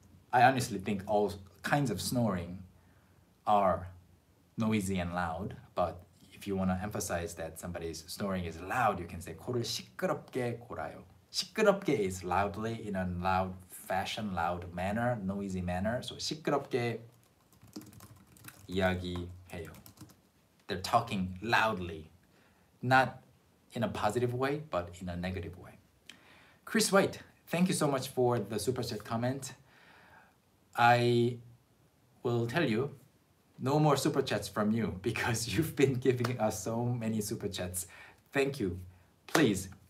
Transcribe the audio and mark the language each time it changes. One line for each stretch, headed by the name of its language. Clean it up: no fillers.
English: I honestly think all kinds of snoring are noisy and loud, but if you want to emphasize that somebody's snoring is loud, you can say
Korean: 코를 시끄럽게 골아요.
English: 시끄럽게 is loudly, in a loud fashion, loud manner, noisy manner.
Korean: So 시끄럽게 이야기해요.
English: They're talking loudly, not in a positive way, but in a negative way. Chris White, thank you so much for the super chat comment. I will tell you, no more super chats from you because you've been giving us so many super chats. Thank you. Please.